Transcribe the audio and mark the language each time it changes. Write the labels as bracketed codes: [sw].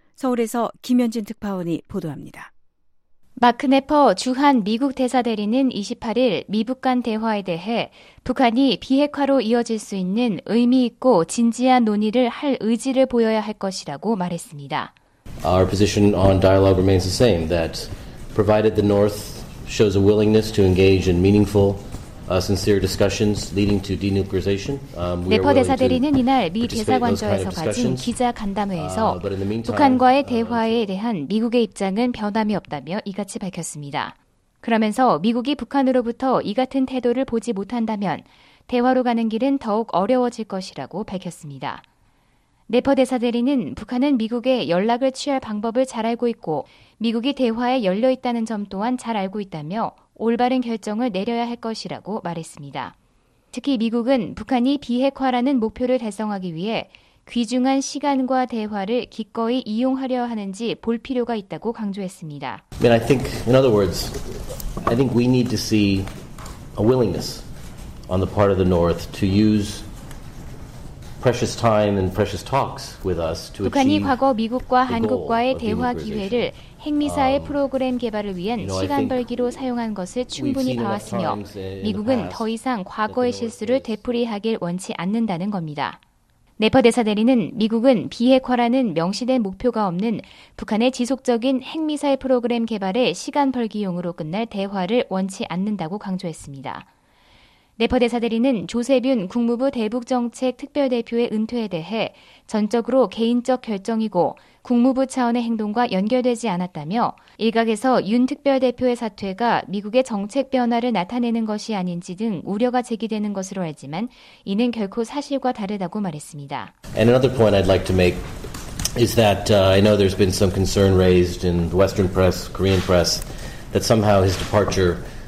[ko] 서울에서 김현진 특파원이 보도합니다. 마크 네퍼 주한미국 대사 대리는 28일 미북 간 대화에 대해 북한이 비핵화로 이어질 수 있는 의미 있고 진지한 논의를 할 의지를 보여야 할 것이라고 말했습니다. [en] Our position on dialogue remains the same, that provided the North shows a willingness to engage in meaningful sincere discussions leading to denuclearization. [ko] 네퍼 대사 대리는 이날 미 대사관저에서 가진 기자 간담회에서 북한과의 대화에 대한 미국의 입장은 변함이 없다며 이같이 밝혔습니다. 그러면서 미국이 북한으로부터 이 같은 태도를 보지 못한다면 대화로 가는 길은 더욱 어려워질 것이라고 밝혔습니다. 네퍼 대사 대리는 북한은 미국에 연락을 취할 방법을 잘 알고 있고 미국이 대화에 열려 있다는 점 또한 잘 알고 있다며 올바른 결정을 내려야 할 것이라고 말했습니다. 특히 미국은 북한이 비핵화라는 목표를 달성하기 위해 귀중한 시간과 대화를 기꺼이 이용하려 하는지 볼 필요가 있다고 강조했습니다. [en] I mean, I think, in other words, I think we need to see a willingness on the part of the North to use precious time and precious talks with us to achieve. [ko] 북한이 과거 미국과 한국과의 대화 기회를 핵미사일 프로그램 개발을 위한 시간 벌기로 사용한 것을 충분히 봐왔으며 미국은 더 이상 과거의 실수를 되풀이하길 원치 않는다는 겁니다. 네퍼 대사 대리는 미국은 비핵화라는 명시된 목표가 없는 북한의 지속적인 핵미사일 프로그램 개발에 시간 벌기용으로 끝날 대화를 원치 않는다고 강조했습니다. 네퍼 대사 대리는 조세빈 국무부 대북정책특별대표의 은퇴에 대해 전적으로 개인적 결정이고 국무부 차원의 행동과 연결되지 않았다며 일각에서 윤 특별대표의 사퇴가 미국의 정책 변화를 나타내는 것이 아닌지 등 우려가 제기되는 것으로 알지만 이는 결코 사실과 다르다고 말했습니다. [en] And another point I'd like to make is that I know there's been some concern raised in the Western press, Korean press, that somehow his departure